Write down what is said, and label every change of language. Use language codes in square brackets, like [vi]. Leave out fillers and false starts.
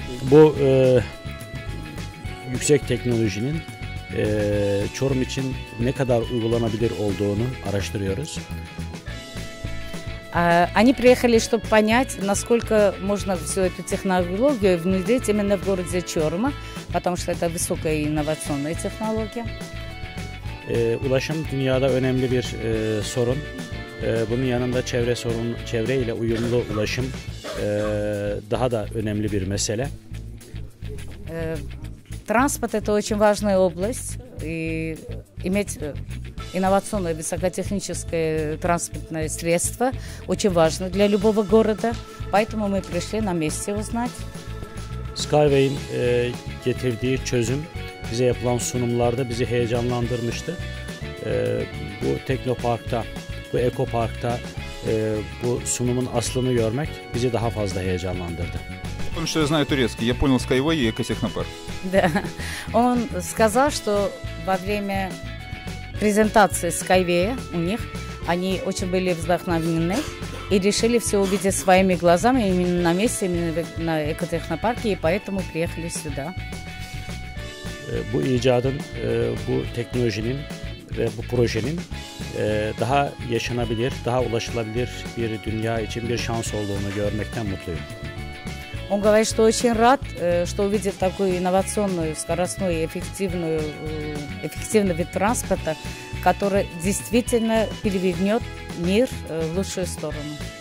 [tr] Bu yüksek teknolojinin Çorum için ne kadar uygulanabilir olduğunu araştırıyoruz. [ru] Они приехали, чтобы понять, насколько можно всю эту технологию внедрить именно в городе Чорума, потому что это высокая инновационная технология. [tr] Ulaşım dünyada önemli bir sorun. Bunun yanında çevre ile uyumlu ulaşım daha da önemli bir mesele. [ru] Transport это очень важная область, и иметь инновационное высокотехническое транспортное средство очень важно для любого города. Поэтому мы пришли на месте узнать. [tr] Skyway'in getirdiği çözüm bize yapılan sunumlarda bizi heyecanlandırmıştı. Bu teknoparkta, bu ekoparkta bu sunumun aslını görmek bizi daha fazla heyecanlandırdı. [ru] Потому что я знаю турецкий. Я понял Skyway и экотехнопарк. Да. Он сказал, что во время презентации Skyway у них они очень были вдохновлены и решили все увидеть своими глазами именно на месте, именно на экотехнопарке, и поэтому приехали сюда. [tr] Bu icadın, bu teknolojinin ve bu projenin daha yaşanabilir, daha ulaşılabilir bir dünya için bir şans olduğunu görmekten mutluyum. [ru] Он говорит, что очень рад, что увидит такую инновационную, скоростную, эффективный вид транспорта, который действительно перевернет мир в лучшую сторону.